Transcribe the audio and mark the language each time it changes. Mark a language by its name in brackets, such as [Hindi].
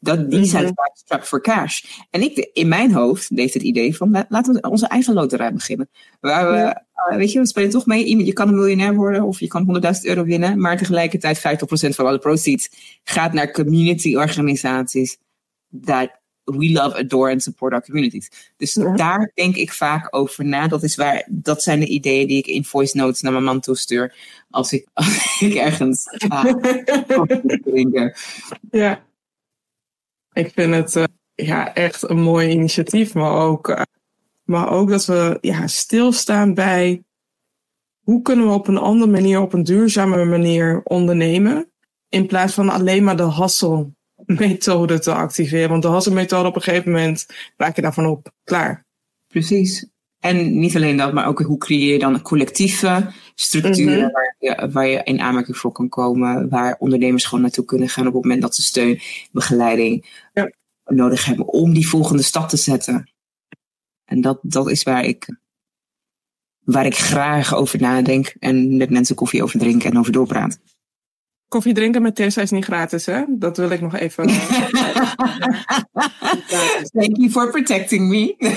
[Dutch] Die zijn vaak [English] strapped for cash. [Dutch] En ik, in mijn hoofd, leeft het idee van, laten we onze eigen loterij beginnen. Waar we, weet je, we spelen toch mee. Je kan een miljonair worden of je kan 100.000 euro winnen. Maar tegelijkertijd 50% van alle proceeds gaat naar community organisaties. [English] That we love, adore and support our communities. [Dutch] Dus daar denk ik vaak over na. Dat zijn de ideeën die ik in voice notes naar mijn man toe stuur. Als ik ergens ga. Ja. Ik vind het echt een mooi initiatief. Maar ook dat we stilstaan bij hoe kunnen we op een andere manier, op een duurzame manier ondernemen. In plaats van alleen maar de hustle-methode te activeren. Want de hustle-methode op een gegeven moment raak je daarvan op. Klaar. Precies. En niet alleen dat, maar ook hoe creëer je dan een collectieve structuur waar je in aanmerking voor kan komen. Waar ondernemers gewoon naartoe kunnen gaan op het moment dat ze steun, begeleiding nodig hebben om die volgende stap te zetten. En dat is waar ik graag over nadenk en met mensen koffie over drinken en over doorpraat. Koffie drinken met Tessa is niet gratis, hè? Dat wil ik nog even. [English] Thank you for protecting me.